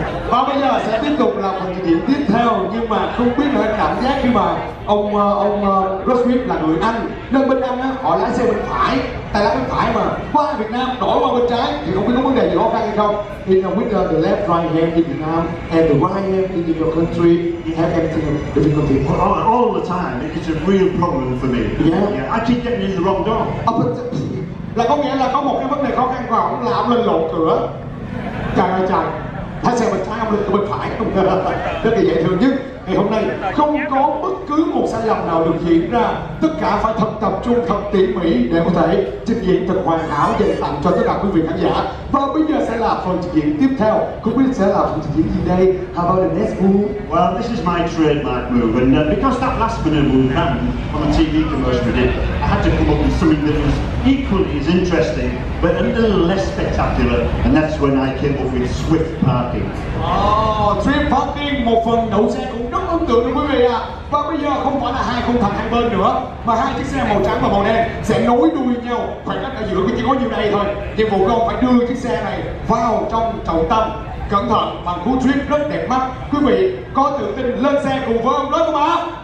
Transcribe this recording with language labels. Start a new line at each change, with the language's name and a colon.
Vietnamese: Và bây giờ sẽ tiếp tục làm phần trình diễn tiếp theo. Nhưng mà không biết là cảm giác khi mà ông Russ là người Anh. Nên bên Anh á, họ lái xe bên phải. Tay lái bên phải mà qua Việt Nam đổi qua bên trái thì không biết có vấn đề gì khó khăn hay không. Thì ông biết
English: the left right hand in Việt Nam and the right hand in your country, you have everything difficulty. All the time, it's a real problem for me. Yeah. I keep getting in the wrong door.
Vietnamese: Là có nghĩa là có một cái vấn đề khó khăn và ông làm lên lộn cửa. Chàng ơi chàng, lái xe bên trái ông lên bên phải. Rất là dễ thương. Nhất ngày hôm nay không có bất cứ một sai lầm nào được diễn ra. Tất cả phải thật tập trung, thật tỉ mỉ để có thể trình diễn thật hoàn hảo dành tặng cho tất cả quý vị khán giả. Và bây giờ sẽ là phần trình diễn tiếp theo. Không biết sẽ là phần trình diễn gì đây?
English: How about the next move? Well, this is my trademark move. And because that last minute move happened on the TV commercial we did, I had to come up with something that was equally as interesting but a little less spectacular, and that's when I came up with swift parking.
Vietnamese: Oh, swift parking, một phần đậu xe cũng rất ấn tượng đối với quý vị ạ. Và bây giờ không phải là hai khung thành hai bên nữa, mà hai chiếc xe màu trắng và màu đen sẽ nối đuôi nhau. Khoảng cách ở giữa chỉ có nhiêu đây thôi. Nhiệm vụ của ông phải đưa chiếc xe này vào trong trọng tâm. Cẩn thận bằng cú swift rất đẹp mắt. Quý vị có tự tin lên xe cùng với ông đó không ạ?